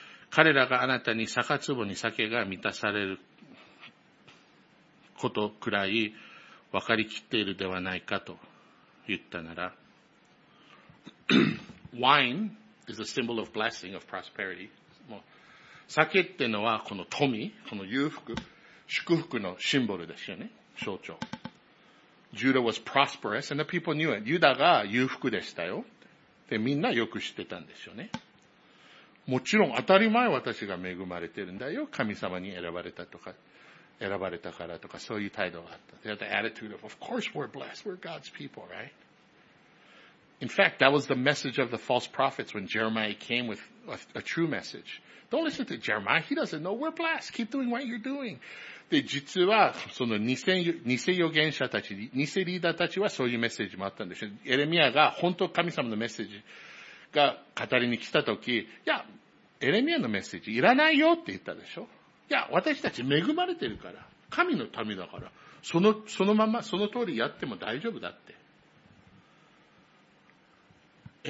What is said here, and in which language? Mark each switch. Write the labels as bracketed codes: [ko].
[ja] 彼らがあなたに杯に酒が満たされることくらい分かりきっているではないかと。言ったなら [en] Wine is a symbol of blessing, of prosperity. [ja] もう酒ってのはこの富、この裕福、祝福のシンボルですよね。象徴。 [en] Judah was prosperous and the people knew it. [ja] ユダが裕福でしたよ。で、みんなよく知ってたんですよね。もちろん当たり前私が恵まれてるんだよ。神様に選ばれたとか。選ばれたからとか、そういう態度があった。 [en] They had the attitude of course we're blessed, we're God's people, right? In fact, that was the message of the false prophets when Jeremiah came with a true message. Don't listen to Jeremiah, he doesn't know, we're blessed, keep doing what you're doing. [ja] で、実は、その偽予言者たち、偽リーダーたちはそういうメッセージもあったんでしょ。エレミアが本当神様のメッセージが語りに来たとき、いや、エレミアのメッセージいらないよって言ったでしょ。いや、私たち恵まれてるから、神の民だから、そのまま、その通りやっても大丈夫だって。